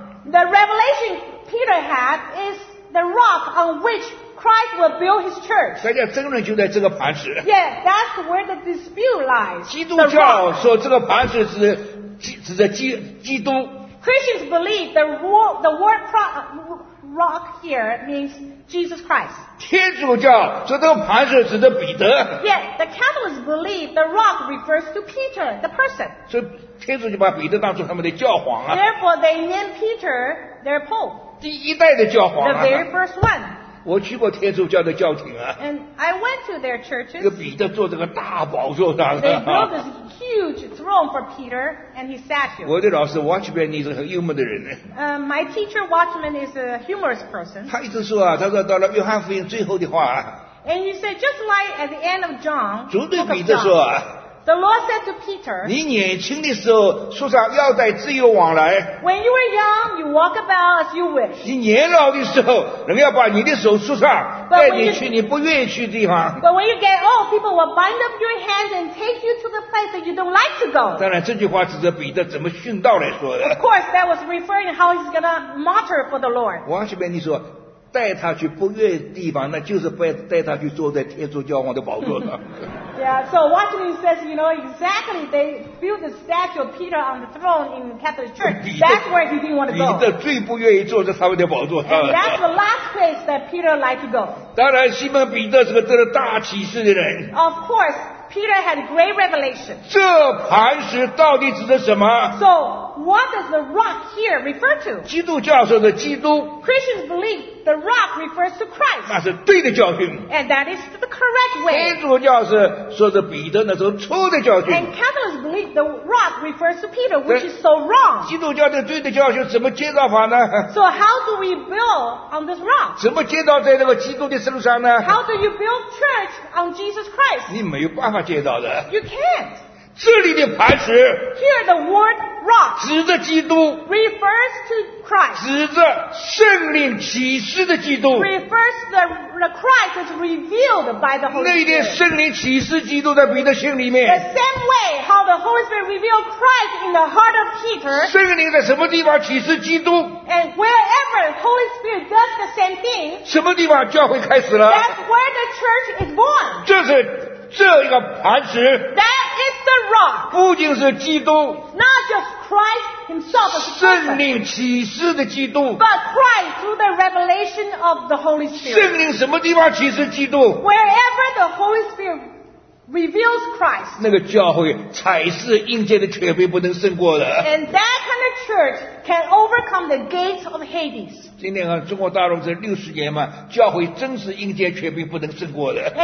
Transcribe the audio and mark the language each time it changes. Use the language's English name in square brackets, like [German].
[English] The revelation Peter had is the rock on which Christ will build His church. [Chinese] 大家争论就在这个磐石。 [English] Yeah, that's where the dispute lies. [Chinese] 基督教说这个磐石是基督。 [English] Christians believe the word rock here means Jesus Christ. [Chinese] 天主教说这个磐石指的彼得。 [English] Yet the Catholics believe the rock refers to Peter, the person. [Chinese] 所以天主就把彼得当作他们的教皇啊。 [English] Therefore they name Peter their pope. [Chinese] 第一代的教皇啊。 [English] The very first one. [Chinese] 我去过天主教的教廷啊。 [English] And I went to their churches. [Chinese] 这个彼得坐这个大宝座上啊。 [English] They built this huge throne for Peter and he sat here. [Chinese] 我的老师 Watchman 是很幽默的人呢。 [English] My teacher Watchman is a humorous person. [Chinese] 他一直说啊，他说到了约翰福音最后的话啊。 [English] And he said just like at the end of John. [Chinese] 主对彼得说啊。 [English] The Lord said to Peter. [Chinese] 你年轻的时候树上要带自由往来。 [English] When you were young, you walk about as you wish. [Chinese] 你年老的时候，人要把你的手树上带你去你不愿意去的地方。 [English] But when you get old, people will bind up your hands and take you to the place that you don't like to go. [Chinese] 当然，这句话指着彼得怎么殉道来说的。 [English] Of course, that was referring to how he's gonna martyr for the Lord. [Chinese] 王启明，你说带他去不愿意的地方，那就是带他去坐在天主教皇的宝座上。 [English] Yeah, so Watchman says, you know, exactly, they built the statue of Peter on the throne in the Catholic Church. That's where he didn't want to go. [Chinese] 彼得最不愿意坐在他们的宝座上。 [English] And that's the last place that Peter liked to go. [Chinese] 当然，西门彼得是个得了大启示的人。 [English] Of course, Peter had a great revelation. [Chinese] 这磐石到底指的什么？ [English] So, what does the rock here refer to? [Chinese] 基督教说的基督。 [English] Christians believe the rock refers to Christ. [Chinese] 那是对的教训。 [English] And that is the correct way. [Chinese] 天主教是说的彼得那时候错的教训。 [English] And Catholics believe the rock refers to Peter, which is so wrong. [Chinese] 基督教的对的教训怎么建造法呢？ [English] So how do we build on this rock? [Chinese] 怎么建造在那个基督的身上呢？ [English] How do you build church on Jesus Christ? [Chinese] 你没有办法建造的。 [English] You can't. [Chinese] 这里的磐石。 [English] Here the word rock. [Chinese] 指着基督。 [English] Refers to Christ. [Chinese] 指着圣灵启示的基督。 [English] Refers to the Christ is revealed by the Holy Spirit. [Chinese] 那天圣灵启示基督在彼得心里面。 [English] The same way how the Holy Spirit revealed Christ in the heart of Peter. [Chinese] 圣灵在什么地方启示基督。 [English] And wherever Holy Spirit does the same thing. [Chinese] 什么地方教会开始了。 [English] That's where the church is born. [Chinese] 这是这一个磐石。不仅是基督 [English] ，Not just Christ himself, [Chinese] 圣灵启示的基督 [English] ，But Christ through the revelation of the Holy Spirit. [Chinese] 圣灵什么地方启示基督 [English] ？Wherever the Holy Spirit reveals Christ. [Chinese] 那个教会才是阴间的权柄不能胜过的。 [English] And that kind of church can overcome the gates of Hades. [Chinese] 今天啊，中国大陆这60年嘛，教会真是阴间权柄不能胜过的。